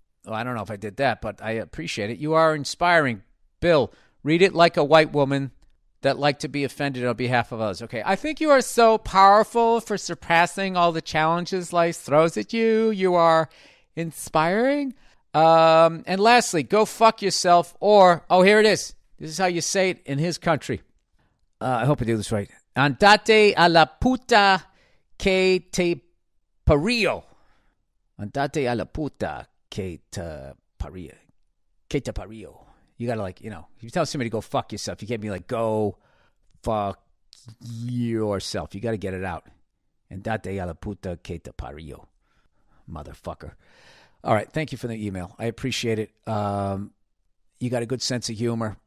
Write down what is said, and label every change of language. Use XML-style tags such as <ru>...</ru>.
<en>Well, I don't know if I did that, but I appreciate it. You are inspiring. Bill, read it like a white woman that like to be offended on behalf of others. Okay, I think you are so powerful for surpassing all the challenges life throws at you. You are inspiring. And lastly, go fuck yourself or, oh, here it is. This is how you say it in his country. I hope I do this right.</en> <es>Andate a la puta que te parió. Andate a la puta que te parió. Que te parió.</es> <en>You got to, like, you know, if you tell somebody to go fuck yourself, you can't be like, go fuck yourself. You got to get it out.</en> <es>And date a la puta que te parió,</es> <en>motherfucker. All right, thank you for the email. I appreciate it. You got a good sense of humor.</en>